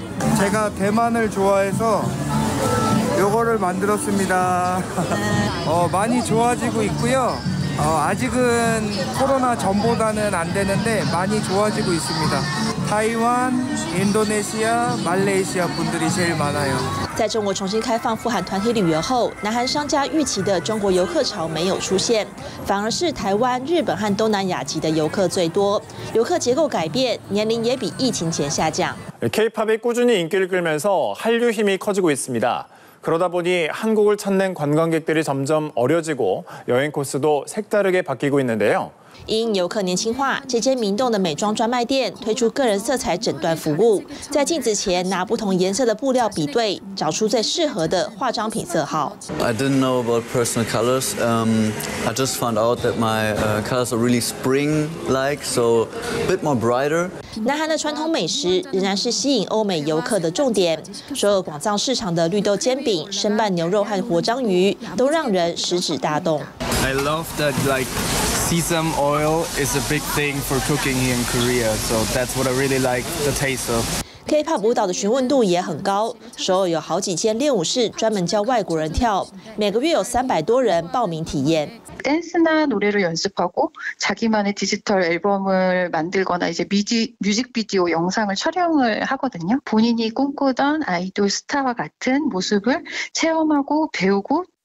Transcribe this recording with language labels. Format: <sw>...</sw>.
<ko>제가대만을좋아해서요거를만들었습니다많이좋아지고있고요아직은코로나전보다는안되는데많이좋아지고있습니다타이완인도네시아말레이시아분들이제일많아요</ko> <zh>在中国重新开放赴韩团体旅游后，南韩商家预期的中国游客潮没有出现，反而是台湾、日本和东南亚籍的游客最多。游客结构改变，年龄也比疫情前下降。</zh> <ko>K-pop이 꾸준히 인기를 끌면서 한류 힘이 커지고 있습니다그러다보니한국을찾는관광객들이점점어려지고여행코스도색다르게바뀌고있는데요</ko> <zh>因游客年轻化，这间明洞的美妆专卖店推出个人色彩诊断服务，在镜子前拿不同颜色的布料比对，找出最适合的化妆品色号。</zh> <en>I didn't know about personal colors. I just found out that my colors are really spring-like, so a bit more brighter.</en> <zh>南韩的传统美食仍然是吸引欧美游客的重点。首尔广藏市场的绿豆煎饼、生拌牛肉和活章鱼都让人食指大动。</zh> <en>I love that like. Sesame oil is a big thing for cooking in Korea, so that's what I really like the taste of.</en> <zh>K-pop 舞蹈的询问度也很高，首尔有好几间练舞室专门教外国人跳，每个月有300多人报名体验。</zh> <ko>댄스나노래를연습하고자기만의디지털앨범을만들거나이제뮤직비디오영상을촬영을하거든요본인이꿈꾸던아이돌스타와같은모습을체험하고배우고</ko>